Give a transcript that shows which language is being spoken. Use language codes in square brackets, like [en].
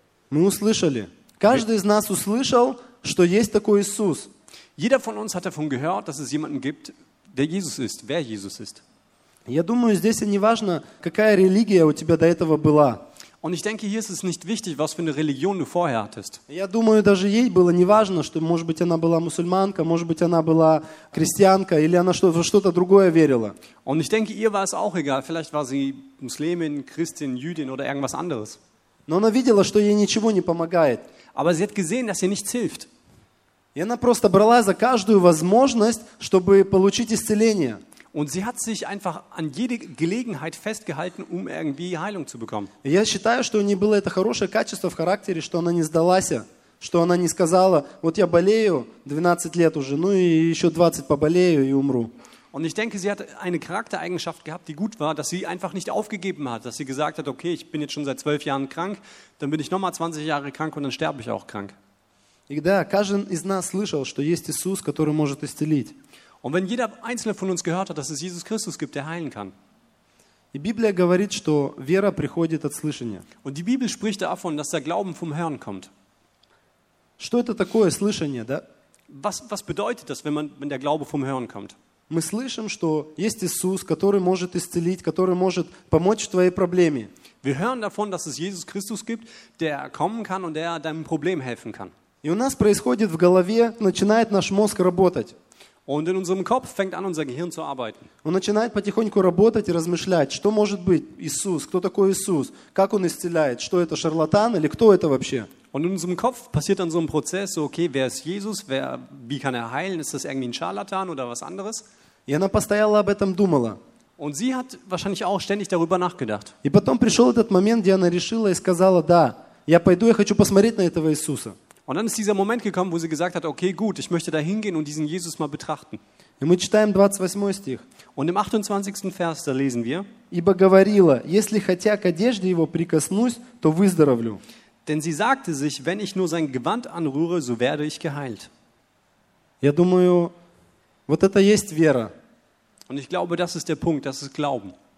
[ru] Мы услышали. Каждый из нас услышал, что есть такой Иисус. [de] Jeder von uns hat davon gehört, dass es jemanden gibt, der Jesus ist, wer Jesus ist. [ru] Я думаю, здесь не важно, какая религия у тебя до этого была. [de] Und ich denke, hier ist es nicht wichtig, was für eine Religion du vorher hattest. [ru] Я думаю, даже ей было не важно, что, может быть, она была мусульманка, может быть, она была крестьянка или она что-то другое верила. [de] Und ich denke, ihr war es auch egal, vielleicht war sie Muslimin, Christin, Jüdin oder irgendwas anderes. [ru] Но она видела, что ей ничего не помогает. [de] Aber sie hat gesehen, dass ihr nichts hilft. [ru] И она просто брала за каждую возможность, чтобы получить исцеление. [de] Und sie hat sich einfach an jede Gelegenheit festgehalten, um irgendwie Heilung zu bekommen. [ru] Я считаю, что у неё было это хорошее качество в характере, что она не сдалась, что она не сказала: "Вот я болею 12 лет уже, ну и ещё 20 поболею и умру". [de] Und ich denke, sie hat eine Charaktereigenschaft gehabt, die gut war, dass sie einfach nicht aufgegeben hat, dass sie gesagt hat: "Okay, ich bin jetzt schon seit 12 Jahren krank, dann bin ich noch mal 20 Jahre krank und dann sterbe ich auch krank". [ru] И да, каждый из нас слышал, что есть Иисус, который может исцелить. [de] Und wenn jeder einzelne von uns gehört hat, dass es Jesus Christus gibt, der heilen kann. [ru] И Библия говорит, что вера приходит от слышания. [de] Und die Bibel spricht davon, dass der Glauben vom Hören kommt. [ru] Что это такое слышание, да? [de] Was bedeutet das, wenn der Glaube vom Hören kommt? [ru] Мы слышим, что есть Иисус, который может исцелить, который может помочь в твоей проблеме. [de] Wir hören davon, dass es Jesus Christus gibt, der kommen kann und der deinem Problem helfen kann. [ru] И у нас происходит в голове, начинает наш мозг работать. [de] Und in unserem Kopf fängt an, unser Gehirn zu arbeiten. [ru] Он начинает потихоньку работать и размышлять, что может быть Иисус, кто такой Иисус, как он исцеляет, что это шарлатан или кто это вообще? [de] Und in unserem Kopf passiert dann so ein Prozess, so, okay, wer ist Jesus, wie kann er heilen, ist das irgendwie ein Scharlatan oder was anderes? [ru] И она постоянно об этом думала. [de] Und sie hat wahrscheinlich auch ständig darüber nachgedacht. [ru] И потом пришел этот момент, где она решила и сказала: "Да, я пойду, я хочу посмотреть на этого Иисуса". [de] Und dann ist dieser Moment gekommen, wo sie gesagt hat: "Okay, gut, ich möchte da hingehen und diesen Jesus mal betrachten." [ru] И мы читаем 28 стих. [de] Und im 28. Vers da lesen wir: [ru] "Ибо говорила: если хотя к одежде его прикоснусь, то выздоровлю." [de] Denn sie sagte sich: "Wenn ich nur sein Gewand anrühre, so werde ich geheilt." [ru] Я думаю, вот это есть вера. [de] Und ich glaube, das ist der Punkt, das ist Glauben.